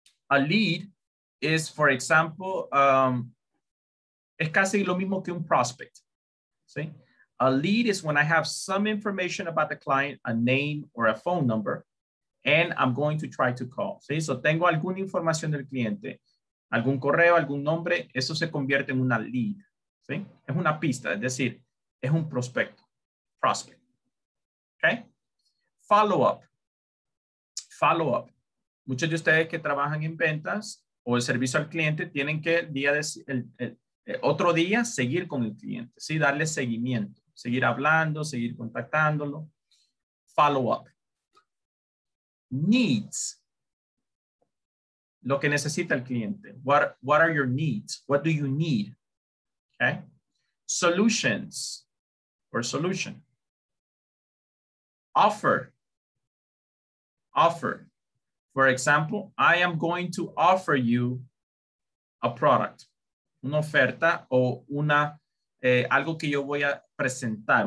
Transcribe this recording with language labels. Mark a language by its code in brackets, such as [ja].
[en] A lead is, for example, [es] es casi lo mismo que un [en] prospect. See? A lead is when I have some information about the client, a name or a phone number, and I'm going to try to call. See? So [es] tengo alguna información del cliente. Algún correo, algún nombre, eso se convierte en una lead, ¿sí? Es una pista, es decir, es un prospecto, prospect, ¿okay? Follow up. Muchos de ustedes que trabajan en ventas o el servicio al cliente tienen que el otro día seguir con el cliente, ¿sí? Darle seguimiento, seguir hablando, seguir contactándolo. Follow up. Needs. Lo que necesita el cliente. [en] What are your needs? What do you need? Okay. Solutions or solution. Offer. For example, I am going to offer you a product. [es] Una oferta o una algo que yo voy a presentar.